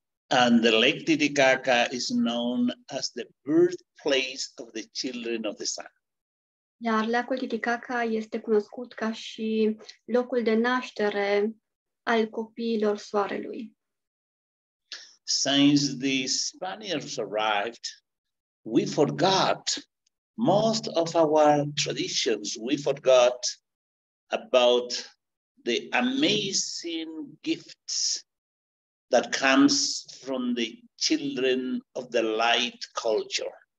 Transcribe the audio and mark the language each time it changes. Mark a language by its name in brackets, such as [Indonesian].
[English] And the Lake Titicaca is known as the birthplace of the children of the sun. [Romanian] Iar lacul Titicaca este cunoscut ca și locul de naștere al copiilor soarelui. [English] Since the Spaniards arrived, we forgot most of our traditions. We forgot about the amazing gifts that comes from the children of the light culture.